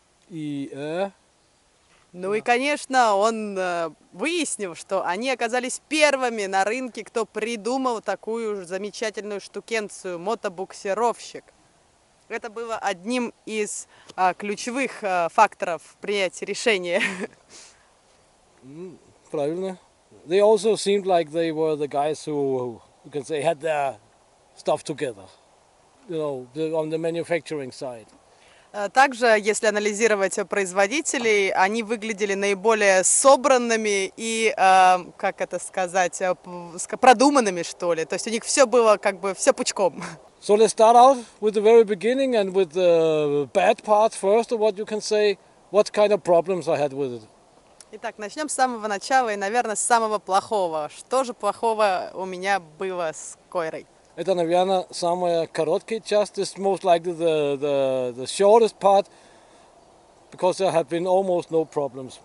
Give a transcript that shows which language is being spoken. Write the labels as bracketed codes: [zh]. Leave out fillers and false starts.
[ru] Ну и, конечно, он выяснил, что они оказались первыми на рынке, кто придумал такую замечательную штукенцию, мотобуксировщик. Это было одним из ключевых факторов принятия решения. Правильно. [en] They also seemed like they were the guys who, you can say, had their stuff together, you know, on the manufacturing side. [ru] Также, если анализировать производителей, они выглядели наиболее собранными и, как это сказать, продуманными, что ли. То есть у них все было как бы все пучком. [en] So let's start off with the very beginning and with the bad part first, or what you can say, what kind of problems I had with it. [ru] Итак, начнем с самого начала и, наверное, с самого плохого. Что же плохого у меня было с KOiRA-ой? Это, наверное, самая короткая часть. [en] It's most likely the shortest part, because there have been almost no problems.